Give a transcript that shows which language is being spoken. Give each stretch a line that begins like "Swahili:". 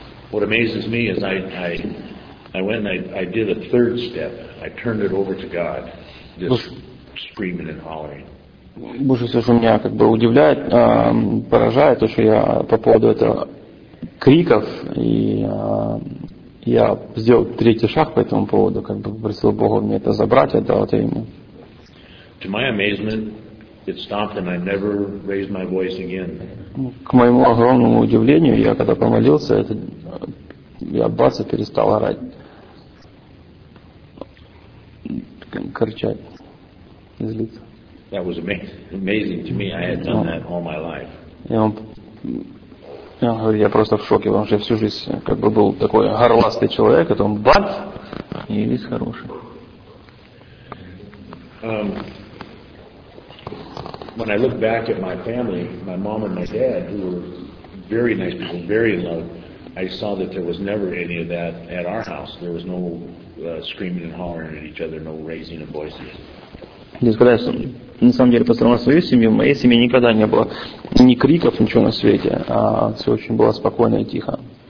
English: What amazes me is I went and I did a third step. I turned it over to God, just screaming and hollering.
Russian: Больше всего, что меня как бы удивляет, поражает, то, что я по поводу этого криков, и я сделал третий шаг по этому поводу, как бы попросил Бога мне это забрать, отдал это ему.
English: To my amazement, it stopped, and I never raised my voice again.
Russian: К моему огромному удивлению, я когда помолился, я бац, перестал орать, кричать. не злиться.
English: That was amazing to me. I had done that all my life.
Russian: Я говорю, я просто в шоке, потому что я всю жизнь как бы был такой горластый человек, а то он бац, и весь хороший.
English: When I look back at my family, my mom and my dad, who were very nice people, very in love, I saw that there was never any of that at our house. There was no screaming and hollering at each other, no raising of voices.
Russian: На самом деле, по сравнению с моей семьей, в моей семье никогда не было ни криков, ничего на свете, а все очень было спокойно и тихо.